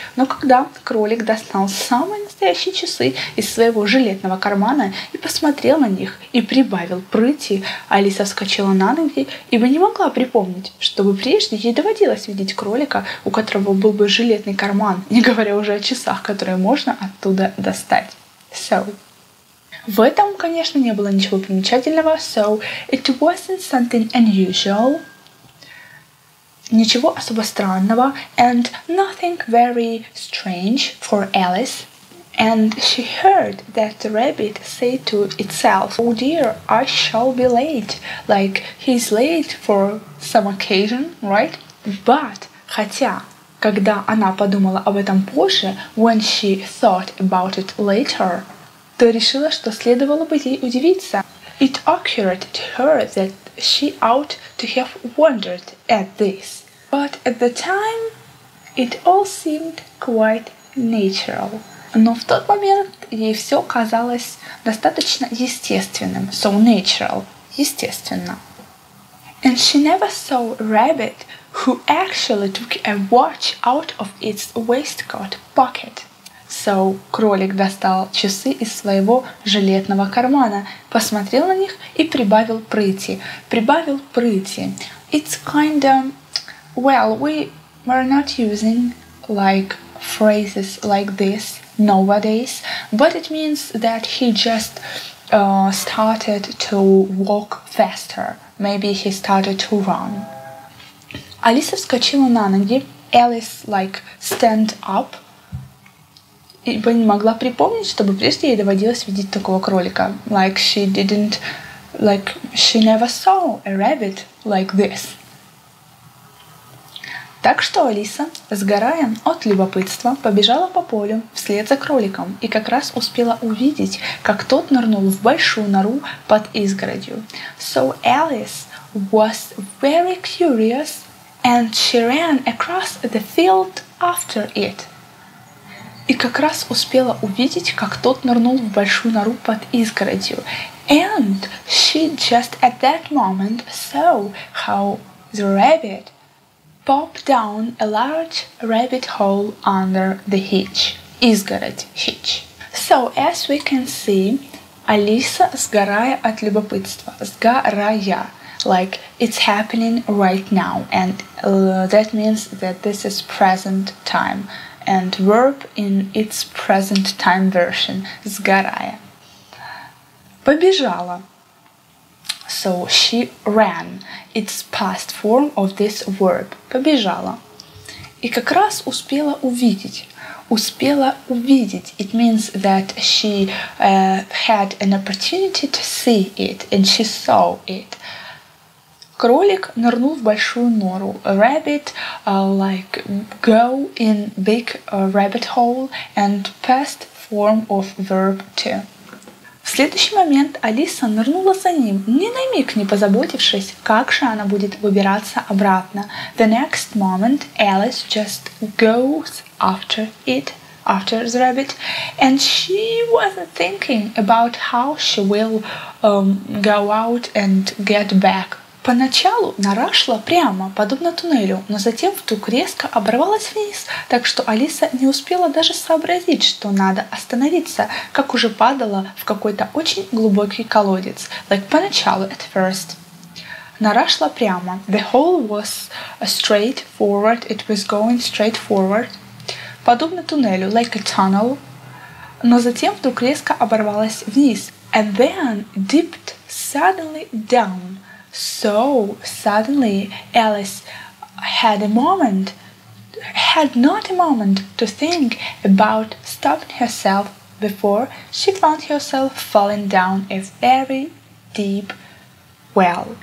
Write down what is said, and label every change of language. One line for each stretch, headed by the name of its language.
Russian: Но когда кролик достал самые настоящие часы из своего жилетного кармана и посмотрел на них и прибавил прыти, Алиса вскочила на ноги, ибо не могла припомнить, чтобы прежде ей доводилось видеть кролика, у которого был бы жилетный карман, не говоря уже о часах, которые можно оттуда достать. So, в этом, конечно, не было ничего примечательного.
English: So, it wasn't something unusual.
Russian: Ничего особо странного.
English: And nothing very strange for Alice. And she heard that the rabbit say to itself, oh dear, I shall be late. Like, he's late for some occasion, right? But,
Russian: хотя, когда она подумала об этом позже,
English: when she thought about it later,
Russian: то решила, что следовало бы ей удивиться.
English: It occurred to her that she ought to have wondered at this. But at the time, it all seemed quite natural.
Russian: Но в тот момент ей все казалось достаточно естественным.
English: So natural.
Russian: Естественно.
English: And she never saw a rabbit who actually took a watch out of its waistcoat pocket.
Russian: So, кролик достал часы из своего жилетного кармана, посмотрел на них и прибавил прыти. Прибавил прыти.
English: It's kind of... Well, we were not using like phrases like this nowadays, but it means that he just started to walk faster. Maybe he started to run.
Russian: Алиса вскочила на ноги.
English: Alice, like, stand up.
Russian: Ибо не могла припомнить, чтобы прежде ей доводилось видеть такого кролика.
English: Like, she didn't... Like, she never saw a rabbit like this.
Russian: Так что Алиса, сгорая от любопытства, побежала по полю вслед за кроликом и как раз успела увидеть, как тот нырнул в большую нору под изгородью.
English: So Alice was very curious and she ran across the field after it.
Russian: И как раз успела увидеть, как тот нырнул в большую нору под изгородью.
English: And she just at that moment saw how the rabbit popped down a large rabbit hole under the hitch.
Russian: Изгородь.
English: Hitch. So, as we can see,
Russian: Алиса сгорая от любопытства. Сгорая.
English: Like, it's happening right now. And that means that this is present time. And verb in its present time version.
Russian: Сгорая. Побежала.
English: So, she ran. It's past form of this verb.
Russian: Побежала. И как раз успела увидеть. Успела увидеть.
English: It means that she had an opportunity to see it. And she saw it.
Russian: Кролик нырнул в большую нору.
English: A rabbit, like, go in big rabbit hole. And past form of verb to.
Russian: В следующий момент Алиса нырнула за ним, ни на миг не позаботившись, как же она будет выбираться обратно.
English: The next moment Alice just goes after it, after the rabbit, and she wasn't thinking about how she will go out and get back.
Russian: Поначалу нора шла прямо, подобно туннелю, но затем вдруг резко оборвалась вниз, так что Алиса не успела даже сообразить, что надо остановиться, как уже падала в какой-то очень глубокий колодец. Like, поначалу,
English: at first.
Russian: Нора шла прямо.
English: The hole was straight forward, it was going straight forward.
Russian: Подобно туннелю,
English: like a tunnel.
Russian: Но затем вдруг резко оборвалась вниз.
English: And then dipped suddenly down. So, suddenly, Alice had a moment, had not a moment to think about stopping herself before she found herself falling down a very deep well.